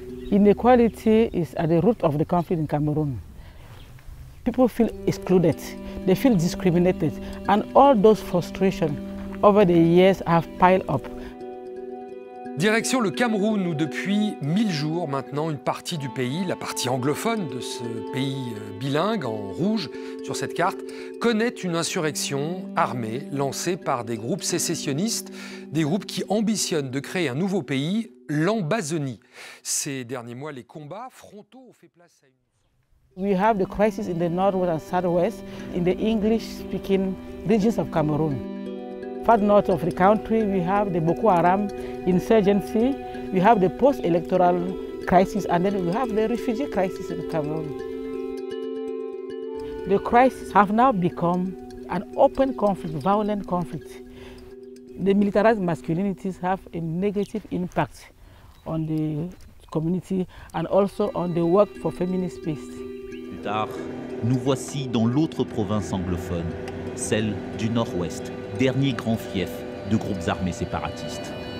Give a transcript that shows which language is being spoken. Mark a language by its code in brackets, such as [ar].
[en] Inequality is at the root of the conflict in Cameroon. People feel excluded, they feel discriminated, and all those frustrations over the years have piled up. [fr] Direction le Cameroun, où depuis 1000 jours maintenant, une partie du pays, la partie anglophone de ce pays bilingue, en rouge sur cette carte, connaît une insurrection armée lancée par des groupes sécessionnistes, des groupes qui ambitionnent de créer un nouveau pays, l'Ambazonie. Ces derniers mois, les combats frontaux ont fait place à une... [en] We have the crisis in the northwest and southwest in the English-speaking regions of Cameroon. Far north of the country, we have the Boko Haram insurgency, we have the post-electoral crisis, and then we have the refugee crisis in Cameroon. The crisis have now become an open conflict, violent conflict. The militarized masculinities have a negative impact on the community and also on the work for feminist peace. [fr] Plus tard, nous voici dans l'autre province anglophone, celle du Nord-Ouest, dernier grand fief de groupes armés séparatistes.